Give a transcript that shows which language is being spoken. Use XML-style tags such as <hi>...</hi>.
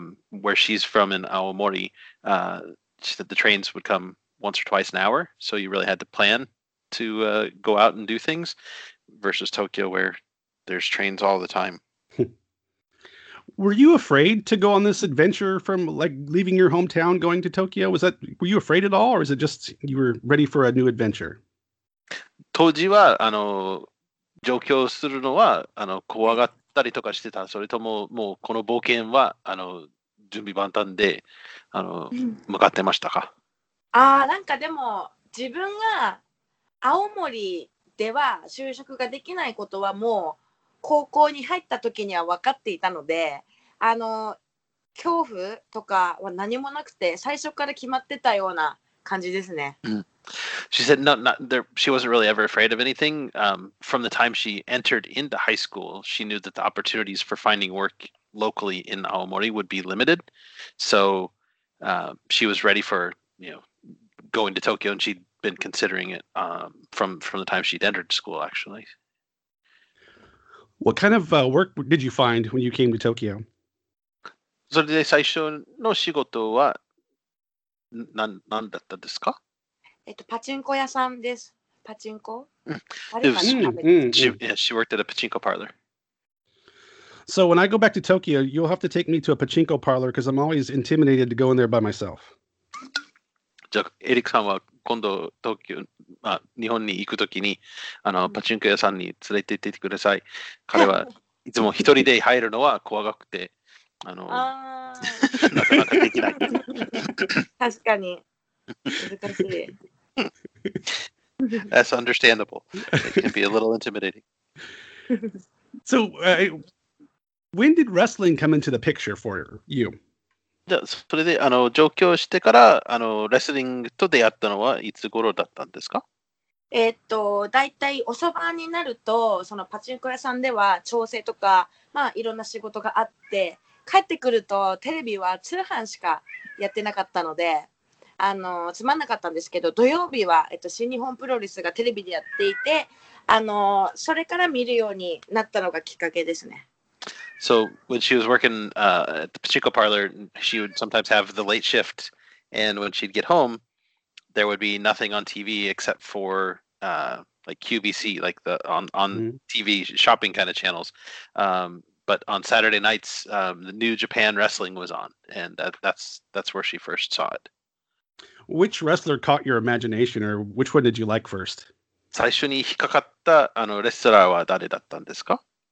<en>Where she's from in Aomori, she said the trains would come once or twice an hour. So you really had to plan to go out and do things versus Tokyo, where there's trains all the time. Were you afraid to go on this adventure from like leaving your hometown, going to Tokyo? Were you afraid at all? Or is it just, you were ready for a new adventure?</en> <ja>当時は上京するのは怖がったりとかしてた。それとももうこの冒険は準備万端で向かってましたか？なんかでも自分が青森では就職ができないことはもう高校に入った時には分かっていたので、あの恐怖とかは何もなくて最初から決まってたような感じですね。</ja> <en>She said she wasn't really ever afraid of anything. From the time she entered into high school, she knew that the opportunities for finding work locally in Aomori would be limited. So she was ready for, you know, going to Tokyo, and she'd been considering it from the time she'd entered school, actually. What kind of work did you find when you came to Tokyo?</en> <ja>それで最初の仕事は何だったですか？パチンコ屋さんです。パチンコ？</ja> <en>She worked at a pachinko parlor. So when I go back to Tokyo, you'll have to take me to a pachinko parlor because I'm always intimidated to go in there by myself.</en> <ja>じゃあ、エリックさんは今度東京、まあ、日本に行くときにあのパチンコ屋さんに連れて行ってください。彼はいつも一人で入るのは怖がって、あの、なかなかできない。確かに。</ja> <en>That's understandable. It can be a little intimidating. So, when did wrestling come into the picture for you?</en> <ja>それで、あの、上京してから、あの、レスリングと出会ったのはいつ頃だったんですか？だいたい遅番になると、そのパチンコ屋さんでは調整とか、まあ、いろんな仕事があって、帰ってくるとテレビは通販しかやってなかったので、あのつまんなかったんですけど、土曜日は、新日本プロレスがテレビでやっていて、あのそれから見るようになったのがきっかけですね。</ja> <en>So when she was working at the pachinko parlor, she would sometimes have the late shift, and when she'd get home, there would be nothing on TV except for like QVC, like the on TV shopping kind of channels. But on Saturday nights, the New Japan Wrestling was on, and that's where she first saw it. Which wrestler caught your imagination, or which one did you like first?</en> <ja>最初に引っかかったあのレスラーは誰だったんですか？</ja>